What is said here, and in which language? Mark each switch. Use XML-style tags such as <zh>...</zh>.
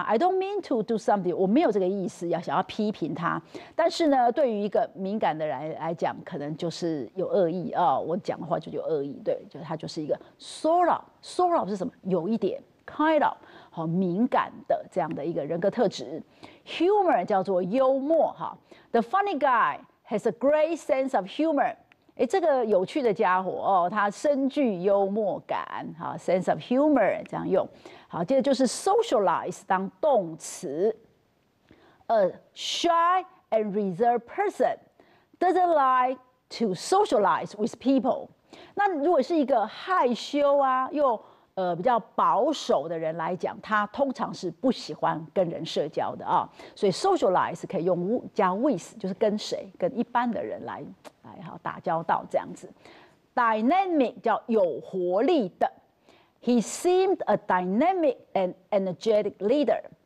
<en>I don't mean to do something，</en> <zh>我没有这个意思要想要批评她，但是呢，对于一个敏感的人来讲，可能就是有恶意啊、哦，我讲的话就有恶意，对，就他就是一个 sort of 是什么？有一点。 kind of 好敏感的这样的一个人格特质。 Humor 叫做幽默哈。</zh> <en>The funny guy has a great sense of humor。</en> <zh>哎，这个有趣的家伙哦，他深具幽默感。好 ，sense of humor 这样用。好，接着就是 socialize 当动词。</zh> <en>A shy and reserved person doesn't like to socialize with people。</en> <zh>那如果是一个害羞啊，又比较保守的人来讲，他通常是不喜欢跟人社交的啊。所以 socialize 可以用加 with， 就是跟谁，跟一般的人来好打交道这样子。</zh> <en>Dynamic</en> <zh>叫有活力的。</zh> <en>He seemed a dynamic and energetic leader。</en>